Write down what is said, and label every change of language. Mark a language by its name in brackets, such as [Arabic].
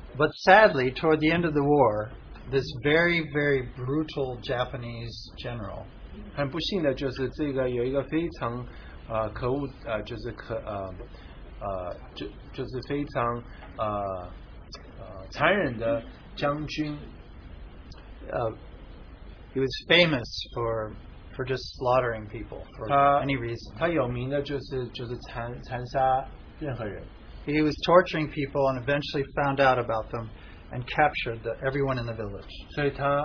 [English] But sadly, toward the end of the war, this very, very brutal Japanese general, he was famous for just slaughtering people for any reason. [Chinese] 他有名的就是残杀任何人。 [English] He was torturing people and eventually found out about them and captured everyone in the village.